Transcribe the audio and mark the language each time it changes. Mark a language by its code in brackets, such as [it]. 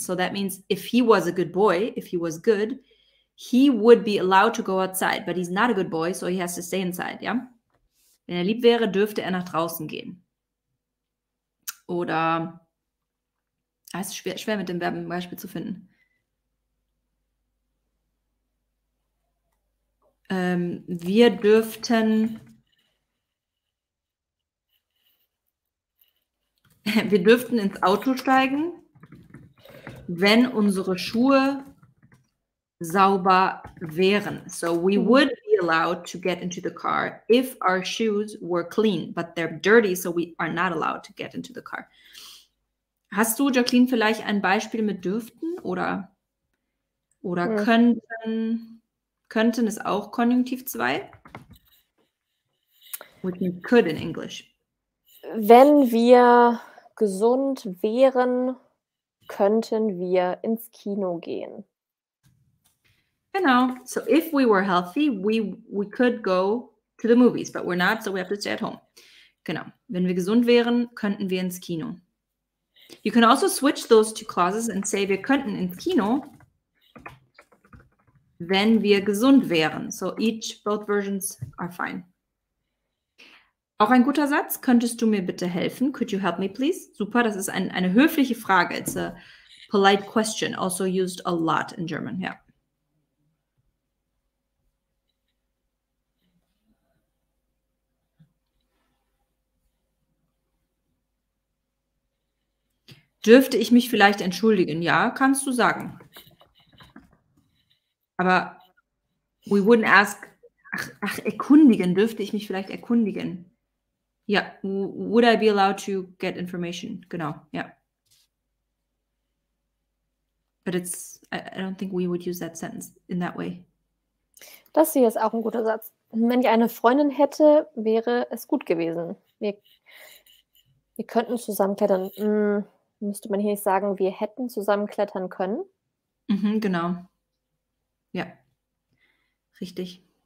[en] So that means if he was a good boy, if he was good, he would be allowed to go outside, but he's not a good boy, so he has to stay inside, yeah? [de] Wenn er lieb wäre, dürfte er nach draußen gehen. Oder, es ist schwer mit dem Verben ein Beispiel zu finden. Wir dürften... Wir dürften ins Auto steigen, wenn unsere Schuhe sauber wären. [en] So we would be allowed to get into the car if our shoes were clean, but they're dirty, so we are not allowed to get into the car. [de] Hast du, Jacqueline, vielleicht ein Beispiel mit dürften oder ja. könnten ist auch Konjunktiv 2? [en] Which means could in English. [de] Wenn wir gesund wären, könnten wir ins Kino gehen. [en] Genau. So if we were healthy, we could go to the movies, but we're not, so we have to stay at home. [de] Genau. Wenn wir gesund wären, könnten wir ins Kino. [en] You can also switch those two clauses and say, [de] wir könnten ins Kino, wenn wir gesund wären. [en] So each, both versions are fine. [de] Auch ein guter Satz, könntest du mir bitte helfen? [en] Could you help me, please? [de] Super, das ist eine höfliche Frage. [en] It's a polite question, also used a lot in German, ja. [de] Dürfte ich mich vielleicht entschuldigen? Ja, kannst du sagen. Aber [en] we wouldn't ask, [de] erkundigen, dürfte ich mich vielleicht erkundigen? [en] Ja, would I be allowed to get information? Genau, ja. But it's, I don't think we would use that sentence in that way. [de] Das hier ist auch ein guter Satz. Wenn ich eine Freundin hätte, wäre es gut gewesen. Wir könnten zusammen klettern. Müsste man hier nicht sagen, wir hätten zusammen klettern können? Mhm, genau. Ja, richtig.